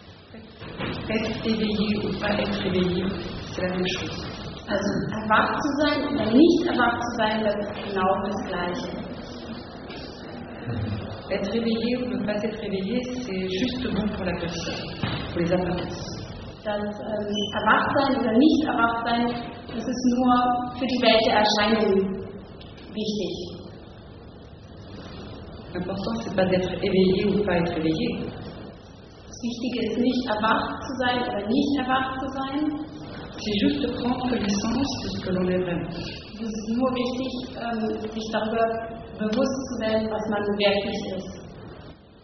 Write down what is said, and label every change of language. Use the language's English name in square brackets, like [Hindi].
[French] Être éveillé ou pas être éveillé, c'est la même chose. [German] Also erwacht zu sein oder nicht erwacht zu sein, das ist genau das Gleiche. [French] Être réveillé ou ne pas être réveillé, c'est juste bon pour la personne, pour les apparences. [German] Das erwacht sein oder nicht erwacht sein, das ist nur für die Welt der Erscheinung wichtig. [French] L'important, c'est pas d'être éveillé ou pas être réveillé. [German] Das Wichtige ist nicht erwacht zu sein oder nicht erwacht zu sein. [French] C'est juste de prendre connaissance de ce que l'on est vraiment. [German] Es ist nur wichtig, sich darüber bewusst zu werden, was man wirklich ist.